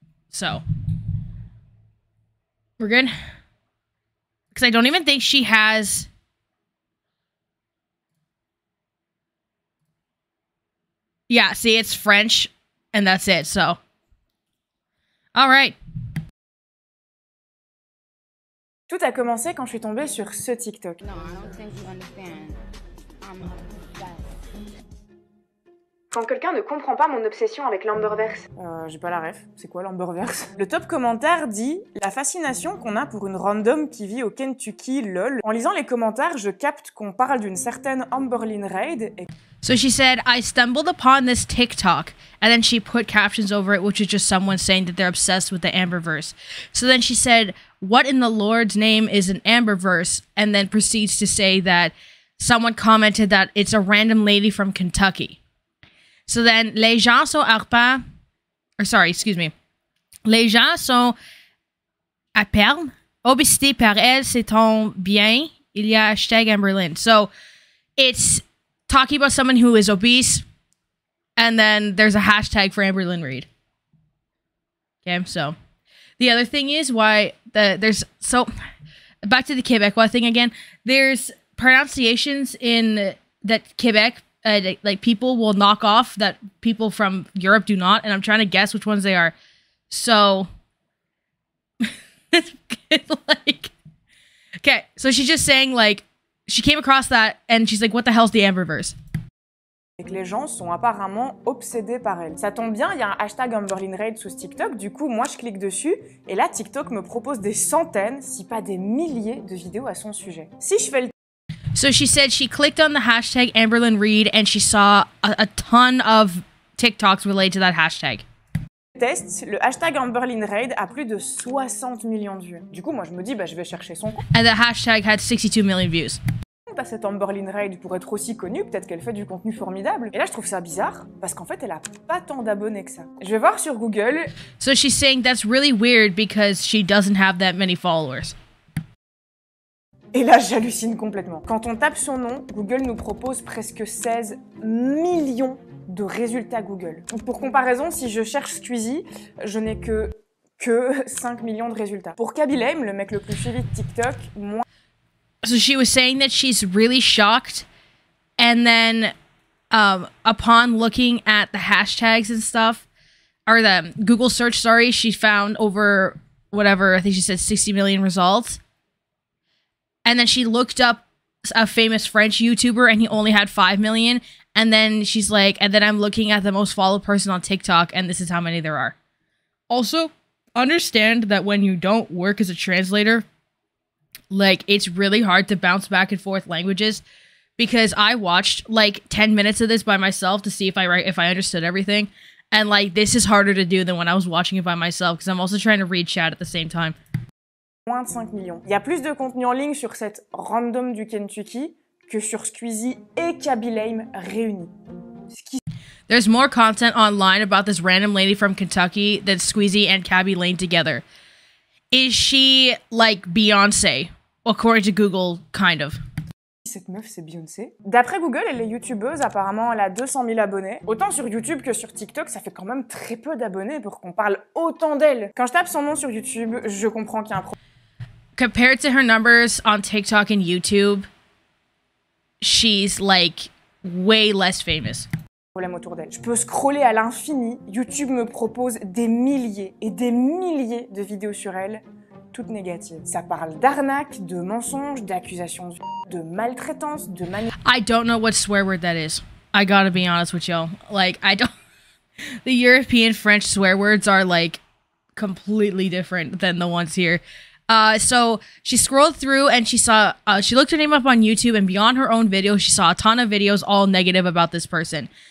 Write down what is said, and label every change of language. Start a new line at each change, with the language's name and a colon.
English: So, we're good? Because I don't even think she has Yeah, see, it's French, and that's it, so. All right.
French: Tout a commencé quand je suis tombée sur ce TikTok.
English: No, I don't think you understand. I'm a
French: Quand quelqu'un ne comprend pas mon obsession avec l'Amberverse. J'ai pas la ref. C'est quoi l'Amberverse? Le top commentaire dit « La fascination qu'on a pour une random qui vit au Kentucky, lol. » En lisant les commentaires, je capte qu'on parle d'une certaine Amberlynn Reid et...
English: So she said, I stumbled upon this TikTok, and then she put captions over it, which is just someone saying that they're obsessed with the Amberverse. So then she said, what in the Lord's name is an Amberverse? And then proceeds to say that someone commented that it's a random lady from Kentucky. So then,
French: les gens sont arpents,
English: or sorry, excuse me.
French: Les gens sont à perle, obsédés par elle, c'est ton bien, il y a hashtag Amberlynn.
English: So it's talking about someone who is obese, and then there's a hashtag for Amberlynn Reid. Okay, so the other thing is why the there's so back to the Quebecois thing again. There's pronunciations in that Quebec. Like people will knock off that people from Europe do not, and I'm trying to guess which ones they are. So, okay, so she's just saying, like, she came across that, and she's like, what the hell's the Amberverse?
French: Les gens sont apparemment obsédés par elle. Ça tombe bien, il y a un hashtag Amberlynn Reid sous TikTok, du coup, moi, je clique dessus, et là, TikTok me propose des centaines, si pas des milliers, de vidéos à son sujet. Si je fais le
English: So she said she clicked on the hashtag Amberlynn Reid and she saw a ton of TikToks related to that hashtag.
French: Test, le hashtag Amberlynn Reid a plus de 60 millions de vues. Du coup, moi, je me dis, bah, je vais chercher son compte.
English: And the hashtag had 62 million views.
French: Pas cette Amberlynn Reid pour être aussi connue, peut-être qu'elle fait du contenu formidable. Et là, je trouve ça bizarre, parce qu'en fait, elle a pas tant d'abonnés que ça. Je vais voir sur Google.
English: So she's saying that's really weird because she doesn't have that many followers.
French: Et là, j'hallucine complètement. Quand on tape son nom, Google nous propose presque 16 millions de résultats Google. Pour comparaison, si je cherche Squeezie, je n'ai que 5 millions de résultats. Pour Kabilaim, le mec le plus suivi de TikTok, moi...
English: So she was saying that she's really shocked, and then upon looking at the hashtags and stuff, or the Google search, sorry, she found over whatever, I think she said 60 million results. And then she looked up a famous French YouTuber and he only had 5 million. And then she's like, and then I'm looking at the most followed person on TikTok and this is how many there are. Also, understand that when you don't work as a translator, like, it's really hard to bounce back and forth languages. Because I watched, like, 10 minutes of this by myself to see if I understood everything. And, like, this is harder to do than when I was watching it by myself because I'm also trying to read chat at the same time.
French: Moins de 5 millions. Il y a plus de contenu en ligne sur cette random du Kentucky que sur Squeezie et Kabilaim réunis.
English: There's more content online about this random lady from Kentucky than Squeezie and Kabilaim together. Is she like Beyoncé? According to Google, kind of.
French: Cette meuf, c'est Beyoncé. D'après Google, elle est youtubeuse, apparemment elle a 200 000 abonnés. Autant sur YouTube que sur TikTok, ça fait quand même très peu d'abonnés pour qu'on parle autant d'elle. Quand je tape son nom sur YouTube, je comprends qu'il y a un problème.
English: Compared to her numbers on TikTok and YouTube, she's like way less famous.
French: Problème autour d'elle. Je peux scroller à l'infini. YouTube me propose des milliers et des milliers de vidéos sur elle, toutes négatives. Ça parle d'arnaque, de mensonges, d'accusations de maltraitance, de manipulation.
English: I don't know what swear word that is. I gotta be honest with y'all. Like, I don't. The European French swear words are like completely different than the ones here. So she scrolled through and she saw, she looked her name up on YouTube and beyond her own video, she saw a ton of videos all negative about this person.